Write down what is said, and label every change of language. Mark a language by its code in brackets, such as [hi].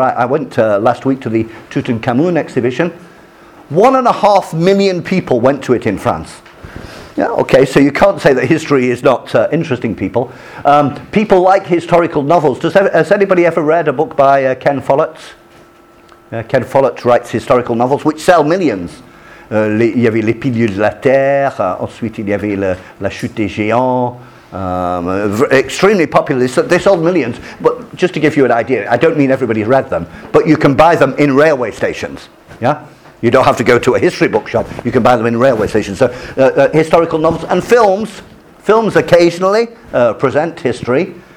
[en] I went last week to the Tutankhamun exhibition. 1.5 million people went to it in France. Yeah, okay, so you can't say that history is not interesting people. People like historical novels. Has anybody ever read a book by Ken Follett? Ken Follett writes historical novels, which sell millions. [fr] Il y avait Les Piliers de la Terre, ensuite il y avait La Chute des Géants. [en] Extremely popular, they sold millions. But just to give you an idea, I don't mean everybody's read them, but you can buy them in railway stations. Yeah, you don't have to go to a history bookshop, you can buy them in railway stations. So historical novels and films occasionally present history.